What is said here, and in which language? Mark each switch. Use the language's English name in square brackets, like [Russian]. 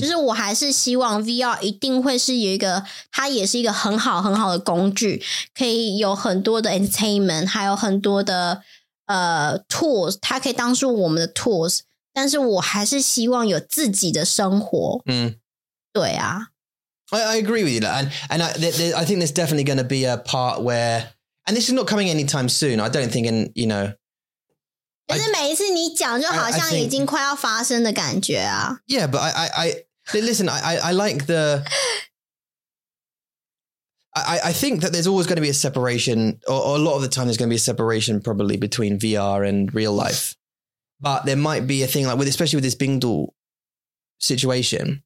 [Chinese] 就是我还是希望 VR 一定会是有一个，它也是一个很好很好的工具，可以有很多的 entertainment, 还有很多的tools, 它可以当做我们的 tools, 但是我还是希望有自己的生活。嗯、mm-hmm. 对啊。 [English] I agree with you, and I think there's definitely going to be a part where, and this is not coming anytime soon, I don't think, in, you know, [Chinese] 就是每一次你讲就好像已经快要发生的感觉啊。 [English] Yeah, but I like the, I think that there's always going to be a separation, or a lot of the time there's going to be a separation probably between VR and real life. But there might be a thing like, with, especially with this Bingdu situation,、